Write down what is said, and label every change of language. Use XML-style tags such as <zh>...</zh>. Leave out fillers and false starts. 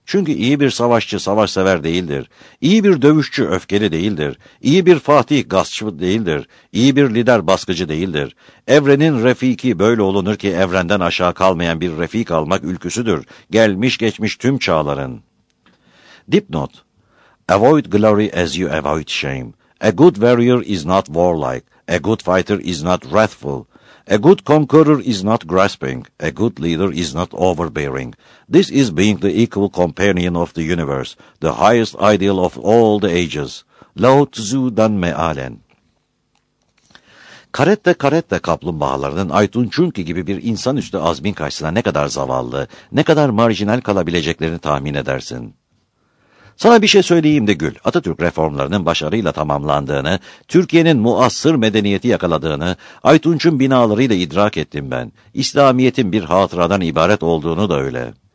<tr>Çünkü iyi bir savaşçı savaşsever değildir. İyi bir dövüşçü öfkeli değildir. İyi bir fatih gaspçı değildir. İyi bir lider baskıcı değildir. Evrenin refiki böyle olunur ki evrenden aşağı kalmayan bir refik almak ülküsüdür. Gelmiş geçmiş tüm çağların. Dipnot.</tr> <en>Avoid glory as you avoid shame. A good warrior is not warlike. A good fighter is not wrathful. A good conqueror is not grasping. A good leader is not overbearing. This is being the equal companion of the universe, the highest ideal of all the ages.</en> <tr>Lao Tzu'dan mealen. Karette karette kaplumbağalarının Aytunçunki gibi bir insanüstü azmin karşısında ne kadar zavallı, ne kadar marjinal kalabileceklerini tahmin edersin. Sana bir şey söyleyeyim de gül. Atatürk reformlarının başarıyla tamamlandığını, Türkiye'nin muasır medeniyeti yakaladığını, Aytunç'un binalarıyla idrak ettim ben. İslamiyet'in bir hatıradan ibaret olduğunu da öyle.</tr>